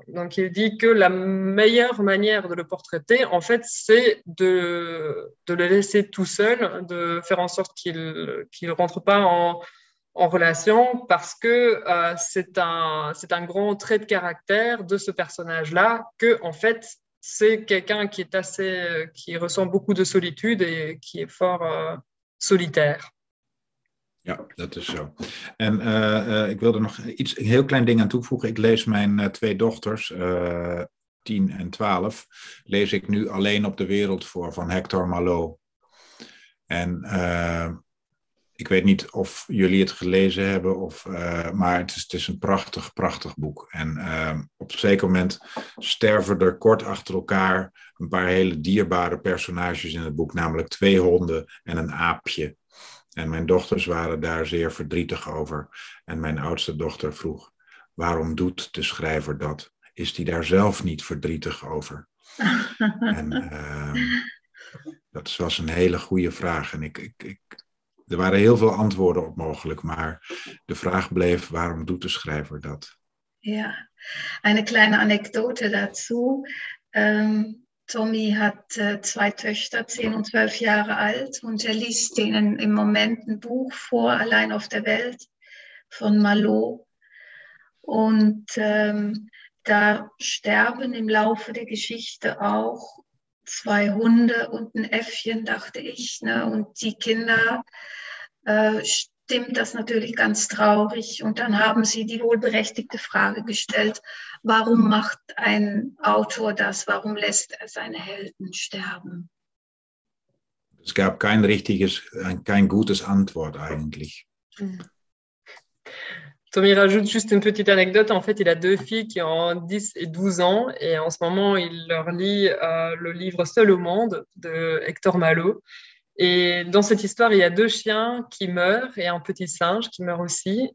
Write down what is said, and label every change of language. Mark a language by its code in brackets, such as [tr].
[fr] Donc, il dit que la meilleure manière de le portraiter, en fait, c'est de le laisser tout seul, de faire en sorte qu'il rentre pas en relation, parce que c'est un grand trait de caractère de ce personnage-là que, en fait, c'est quelqu'un qui est assez, qui ressent beaucoup de solitude et qui est fort solitaire. [nl] Ja, dat is zo. En ik wil er nog iets, een heel klein ding aan toevoegen. Ik lees mijn twee dochters, 10 en 12, lees ik nu Alleen op de wereld voor van Hector Malot. En ik weet niet of jullie het gelezen hebben, maar het is een prachtig, prachtig boek. En op een zeker moment sterven er kort achter elkaar een paar hele dierbare personages in het boek, namelijk twee honden en een aapje. En mijn dochters waren daar zeer verdrietig over. En mijn oudste dochter vroeg, waarom doet de schrijver dat? Is die daar zelf niet verdrietig over? En dat was een hele goede vraag. En er waren heel veel antwoorden op mogelijk, maar de vraag bleef, waarom doet de schrijver dat? [de] Ja, eine kleine Anekdote dazu. Tommy hat zwei Töchter, 10 und 12 Jahre alt, und er liest denen im Moment ein Buch vor, Allein auf der Welt, von Malot. Und da sterben im Laufe der Geschichte auch zwei Hunde und ein Äffchen, dachte ich, ne? Und die Kinder, stimmt das natürlich ganz traurig. Und dann haben sie die wohlberechtigte Frage gestellt, warum macht ein Autor das, warum lässt er seine Helden sterben? Es gab kein richtiges, kein gutes Antwort eigentlich. [fr] Tommy rajoute juste une petite anecdote. En fait, il a deux filles qui ont 10 et 12 ans et en ce moment, il leur lit le livre « Seul au monde » de Hector Malot. Et dans cette histoire, il y a deux chiens qui meurent et un petit singe qui meurt aussi.